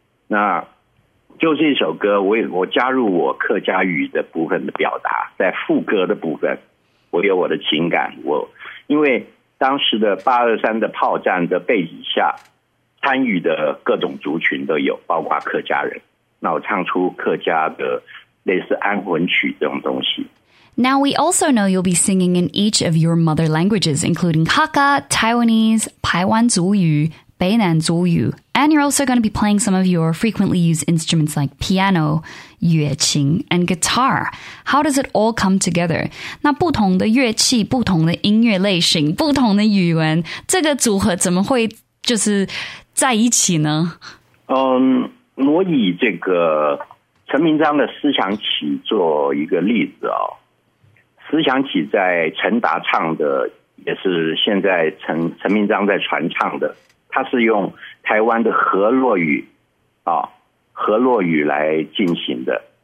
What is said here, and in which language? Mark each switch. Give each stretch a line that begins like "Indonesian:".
Chinese: 那就这首歌，我加入我客家语的部分的表达，在副歌的部分，我有我的情感。我因为当时的823的炮战的背景下，参与的各种族群都有，包括客家人，那我唱出客家的类似安魂曲这种东西。
English: Now, we also know you'll be singing in each of your mother languages, including Hakka, Taiwanese, 台湾族语, 北南族语, and you're also going to be playing some of your frequently used instruments like piano, 乐琴, and guitar. How does it all come together?
Chinese: 那不同的乐器,不同的音乐类型,不同的语言,这个组合怎么会就是在一起呢? 我以这个陈明章的思想起做一个例子哦。思想起在陈达唱的，也是现在陈明章在传唱的，他是用台湾的河洛语啊，河洛语来进行的。